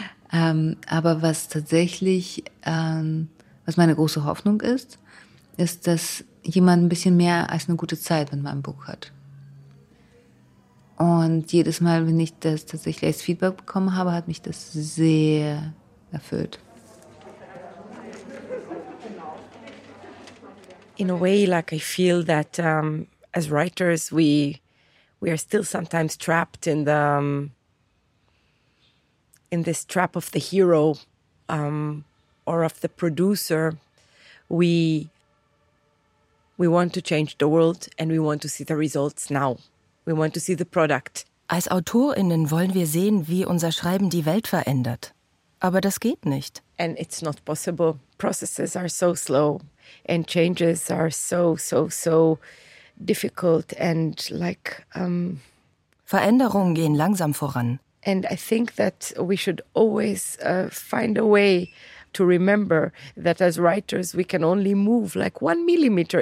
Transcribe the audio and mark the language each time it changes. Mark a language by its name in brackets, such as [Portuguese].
[German] Aber was tatsächlich, was meine große Hoffnung ist, ist, dass jemand ein bisschen mehr als eine gute Zeit mit meinem Buch hat. Und jedes Mal, wenn ich das tatsächlich als Feedback bekommen habe, hat mich das sehr erfüllt. [English] In a way, like I feel that as writers, we are still sometimes trapped in the in this trap of the hero or of the producer. We want to change the world and we want to see the results now. We want to see the product. [German] Als AutorInnen wollen wir sehen, wie unser Schreiben die Welt verändert. Aber das geht nicht. [English] And it's not possible. Processes are so slow and changes are so difficult and like [German] Veränderungen gehen langsam voran. [English] And I think that we should always find a way to remember that as writers we can only move like 1 millimeter.